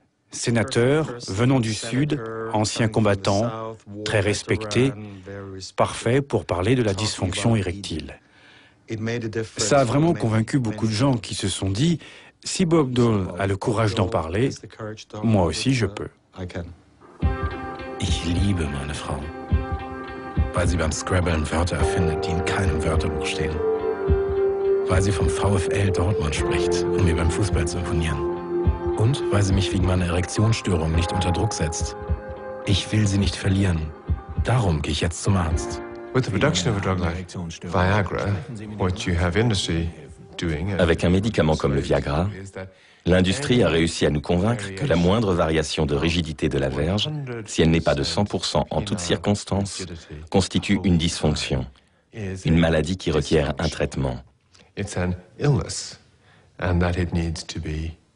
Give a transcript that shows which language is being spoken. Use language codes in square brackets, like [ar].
[fr] Sénateur, venant du Sud, ancien combattant, très respecté, parfait pour parler de la dysfonction érectile. Ça a vraiment convaincu beaucoup de gens qui se sont dit « Si Bob Dole a le courage d'en parler, moi aussi je peux. » [de] Ich liebe meine Frau, weil sie beim Scrabble Wörter erfindet, die in keinem Wörterbuch stehen. Weil sie vom VfL Dortmund spricht, um mir beim Fußball zu imponieren. Und weil sie mich wegen meiner Erektionsstörung nicht unter Druck setzt. Ich will sie nicht verlieren. Darum gehe ich jetzt zum Arzt. [en] With the production of a drug like Viagra, what you have industry doing. [fr] Avec un médicament comme le Viagra, l'industrie a réussi à nous convaincre que la moindre variation de rigidité de la verge, si elle n'est pas de 100% en toutes circonstances, constitue une dysfonction, une maladie qui requiert un traitement. [en] It's an illness, and that it needs to be.